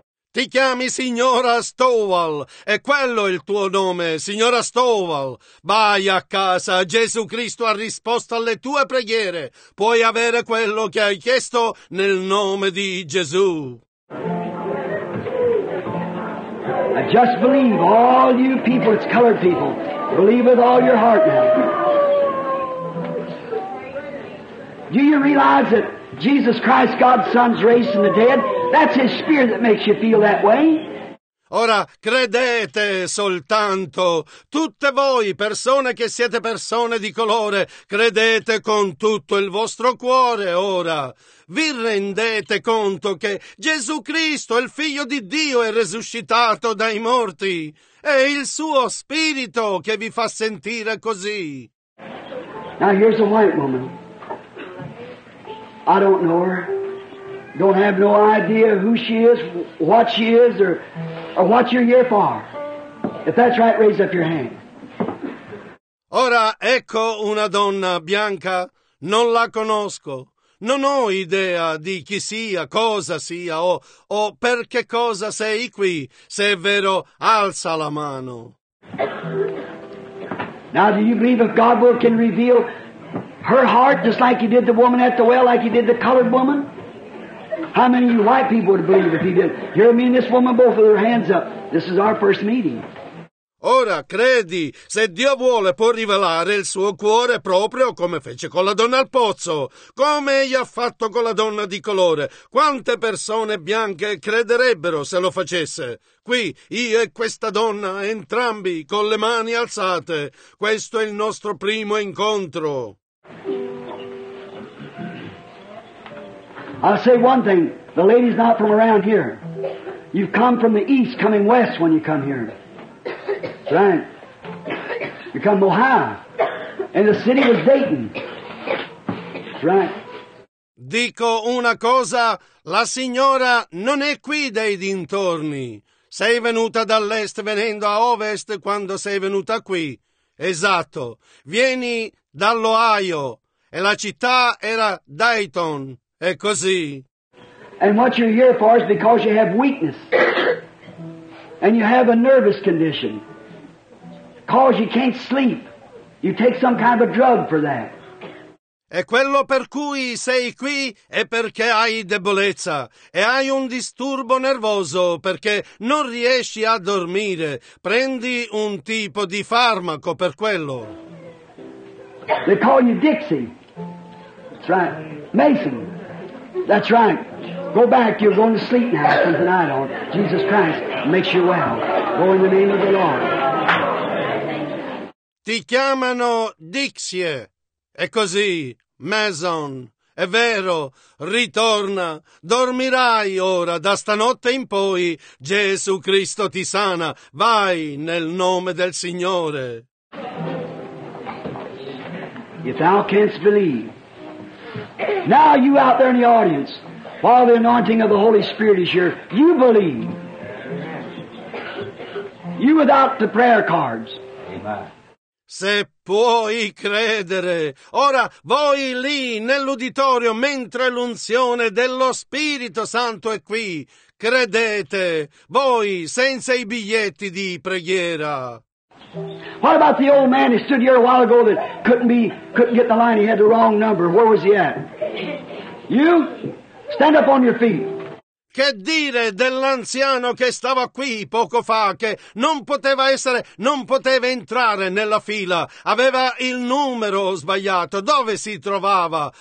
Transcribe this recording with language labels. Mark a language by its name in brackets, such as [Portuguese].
[Italian] Ti chiami signora Stovall, è quello il tuo nome, signora Stovall. Vai a casa, Gesù Cristo ha risposto alle tue preghiere. Puoi avere quello che hai chiesto nel nome di Gesù. [English] I just believe, all you people, it's colored people, believe with all your heart now. Do you realize that Jesus Christ, God's Son, is raised from the dead? That's His Spirit that makes you feel that way. [Italian] Ora, credete soltanto, tutte voi, persone che siete persone di colore, credete con tutto il vostro cuore ora. Vi rendete conto che Gesù Cristo, il Figlio di Dio, è resuscitato dai morti? È il suo Spirito che vi fa sentire così. [English] Now here's a white woman. I don't know her. Don't have no idea who she is, what she is, or what you're here for. If that's right, raise up your hand. [Italian] Ora ecco una donna bianca. Non la conosco. Non ho idea di chi sia, cosa sia, o per che cosa sei qui. Se è vero, alza la mano. [English] Now, do you believe if God can reveal her heart just like He did the woman at the well, like He did the colored woman? How many of you white people would believe if He did? Hear me and this woman both with her hands up. This is our first meeting. [Italian] Ora, credi, se Dio vuole può rivelare il suo cuore proprio come fece con la donna al pozzo, come egli ha fatto con la donna di colore. Quante persone bianche crederebbero se lo facesse? Qui, io e questa donna, entrambi con le mani alzate. Questo è il nostro primo incontro. [English] I'll say one thing. The lady's not from around here. You've come from the east, coming west when you come here. Right. You come from Ohio. And the city was Dayton. Right. [Italian] Dico una cosa. La signora non è qui dai dintorni. Sei venuta dall'est venendo a ovest quando sei venuta qui. Esatto. Vieni dall'Ohio. E la città era Dayton. È così. [English] And what you're here for is because you have weakness. And you have a nervous condition. Cause you can't sleep. You take some kind of a drug for that. [Italian] E quello per cui sei qui è perché hai debolezza e hai un disturbo nervoso perché non riesci a dormire. Prendi un tipo di farmaco per quello. [English] They call you Dixie. That's right. Mason. That's right. Go back. You're going to sleep now. From tonight on. Jesus Christ makes you well. Go in the name of the Lord. [Italian] Ti chiamano Dixie. È così. Mason. È vero. Ritorna. Dormirai ora. Da stanotte in poi. Gesù Cristo ti sana. Vai nel nome del Signore. [English] If thou canst believe. Now you out there in the audience, while the anointing of the Holy Spirit is here, you believe. You without the prayer cards. [Italian] Se puoi credere, ora voi lì nell'uditorio, mentre l'unzione dello Spirito Santo è qui, credete, voi senza i biglietti di preghiera. [English] What about the old man who stood here a while ago that couldn't get the line, he had the wrong number, where was he at? You? Stand up on your feet. [Italian] Che dire dell'anziano che stava qui poco fa, che non poteva entrare nella fila, aveva il numero sbagliato, dove si trovava?